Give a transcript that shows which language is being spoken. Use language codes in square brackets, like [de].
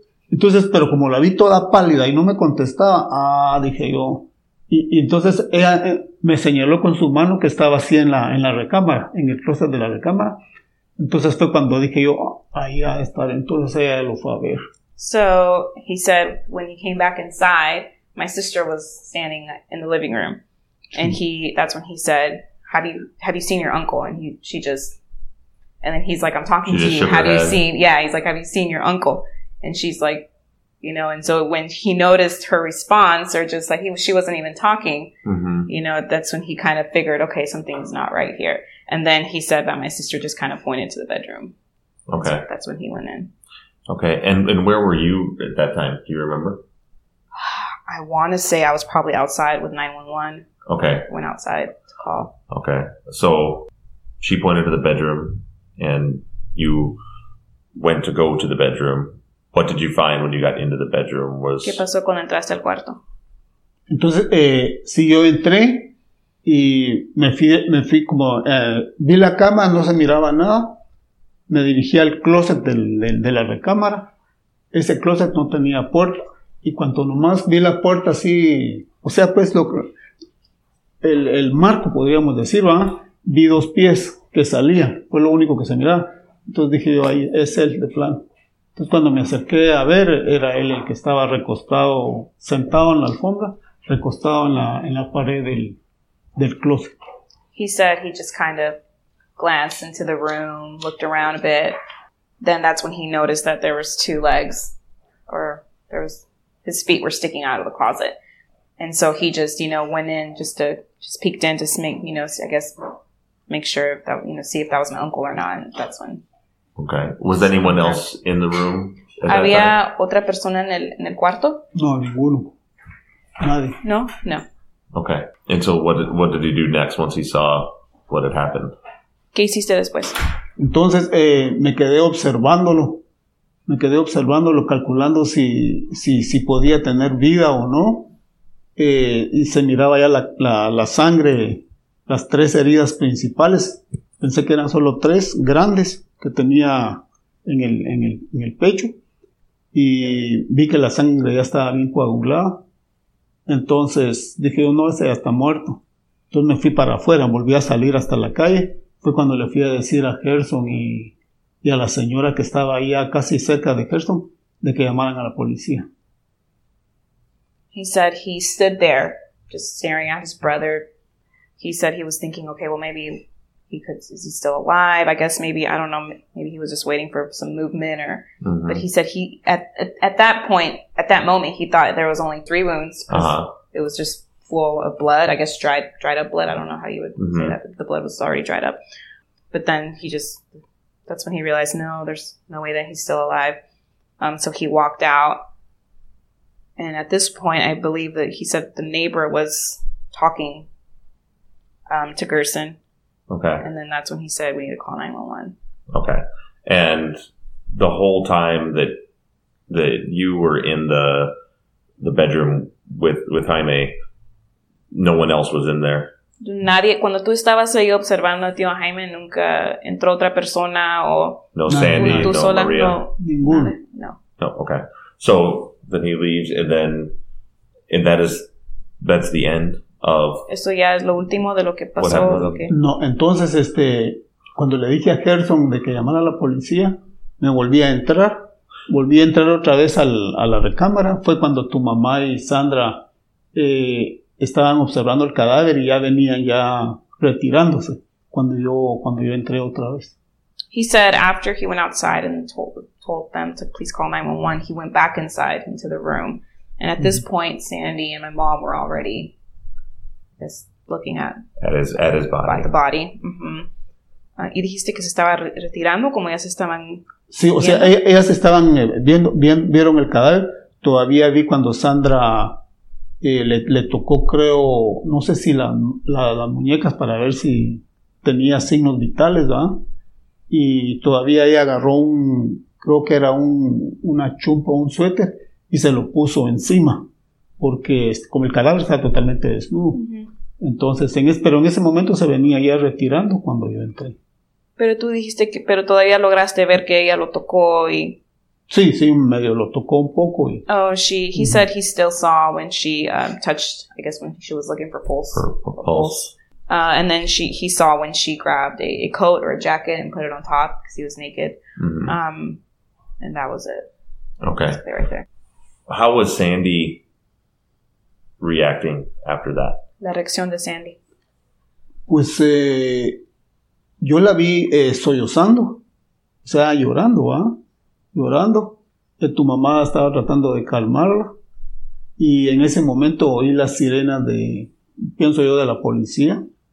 [es] Entonces, pero como la vi toda pálida y no me contestaba, dije yo. Y entonces ella me señaló con su mano que estaba así en la recámara, en el closet de la recámara. Entonces fue cuando dije yo, ahí va a estar. Entonces ella lo fue a ver. [en] So he said when he came back inside, my sister was standing in the living room, and that's when he said, have you seen your uncle? And then he's like, I'm talking she to you. Have you seen? Yeah, he's like, have you seen your uncle? And she's like, you know, and so when he noticed her response or just like she wasn't even talking, mm-hmm. you know, that's when he kind of figured, okay, something's not right here. And then he said that my sister just kind of pointed to the bedroom. Okay. So that's when he went in. Okay. And where were you at that time? Do you remember? I want to say I was probably outside with 911. Okay. Went outside to call. Okay. So she pointed to the bedroom and you went to go to the bedroom. What did you find when you got into the bedroom? [es] ¿Qué pasó cuando entraste al cuarto? Entonces, sí, yo entré y me fui como, vi la cama, no se miraba nada. Me dirigí al closet de la recámara. Ese closet no tenía puerta. Y cuanto nomás vi la puerta así, o sea, pues, el marco, podríamos decir, ¿verdad? Vi dos pies que salían. Fue lo único que se miraba. Entonces dije yo, ahí es él, de plan. Entonces, cuando me acerqué a ver, era él el que estaba recostado, sentado en la alfombra, recostado en la pared del, del closet. [en] He said he just kind of glanced into the room, looked around a bit. Then that's when he noticed that there was two legs, or there was, his feet were sticking out of the closet. And so he just, you know, went in just to, just peeked in to make, you know, I guess, make sure that, you know, see if that was my uncle or not. That's when. Okay. Was anyone else in the room? [es] Había otra persona en el cuarto? No, ninguno. Nadie. No? No. [en] Okay. And so what did he do next once he saw what had happened? [es] ¿Qué hiciste después? Entonces, me quedé observándolo. Me quedé observándolo, calculando si, si, si podía tener vida o no. Y se miraba ya la, la, la sangre, las tres heridas principales. Pensé que eran solo tres grandes que tenía en el, en el, en el pecho. Y vi que la sangre ya estaba bien coagulada. Entonces dije, no, ese ya está muerto. Entonces me fui para afuera, volví a salir hasta la calle. Fue cuando le fui a decir a Gerson y a la señora que estaba ahí casi cerca de Gerson de que llamaran a la policía. [en] He said he stood there, just staring at his brother. He said he was thinking, okay, well, maybe he could, is he still alive? I guess maybe, I don't know, maybe he was just waiting for some movement or, mm-hmm. But he said he, at that point, at that moment, he thought there was only three wounds. Uh-huh. It was just full of blood, I guess dried up blood. I don't know how you would mm-hmm. say that, but the blood was already dried up. But then he just, that's when he realized, no, there's no way that he's still alive. So he walked out. And at this point, I believe that he said the neighbor was talking to Gerson. Okay. And then that's when he said, we need to call 911. Okay. And the whole time that that you were in the bedroom with Jaime, no one else was in there? [es] Nadie. Cuando tú estabas ahí observando a tío Jaime, nunca entró otra persona o... No Sandy, no sola, Maria. No. [en] No, okay. So... Then he leaves, and then, and that is, that's the end of. [es] Eso ya es lo último de lo que pasó. Lo que... No, entonces, cuando le dije a Gerson de que llamara a la policía, me volví a entrar otra vez al, a la recámara. Fue cuando tu mamá y Sandra estaban observando el cadáver y ya venían ya retirándose cuando yo entré otra vez. [en] He said after he went outside and told them to please call 911, he went back inside into the room. And at mm-hmm. this point, Sandy and my mom were already just looking At his body. By the body. Mm-hmm. [es] Y dijiste que se estaba retirando, como ya se estaban... Sí, o sea, ellas estaban vieron el cadáver. Todavía vi cuando Sandra le tocó, creo, no sé si las muñecas para ver si tenía signos vitales, ¿verdad? Y todavía ella agarró un, creo que era una chumpa o un suéter y se lo puso encima porque como el cadáver está totalmente desnudo. Uh-huh. Entonces, pero en ese momento se venía ya retirando cuando yo entré. Pero tú dijiste que, pero todavía lograste ver que ella lo tocó y... Sí, sí, medio lo tocó un poco y... [en] Oh, he said he still saw when she touched, I guess when she was looking for pulse. And then he saw when she grabbed a coat or a jacket and put it on top because he was naked. Mm-hmm. And that was it. Okay. That was it right there. How was Sandy reacting after that? [es] La reacción de Sandy. Pues yo la vi sollozando, o sea, llorando, ¿ah? Llorando. Tu mamá estaba tratando de calmarla. Y en ese momento oí la sirena de, pienso yo, de la policía.